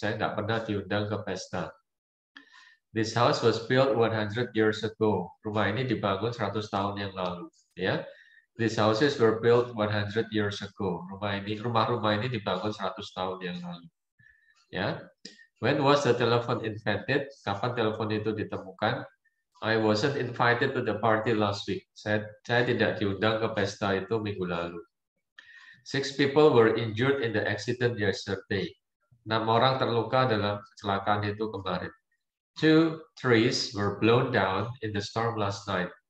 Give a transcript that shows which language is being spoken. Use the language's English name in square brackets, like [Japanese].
[Indonesian] Saya nggak pernah diundang ke pesta. [English] This house was built 100 years ago. [Indonesian] Rumah ini dibangun 100 tahun yang lalu. Ya, [English] these houses were built 100 years ago. [Indonesian] Rumah-rumah ini dibangun 100 tahun yang lalu. Ya, [English] when was the telephone invented? [Indonesian] Kapan telepon itu ditemukan? [English] I wasn't invited to the party last week. [Indonesian] Saya tidak diundang ke pesta itu minggu lalu. [English] Six people were injured in the accident yesterday. [Indonesian] 6 orang terluka dalam kecelakaan itu kemarin. [English] 2 trees were blown down in the storm last night.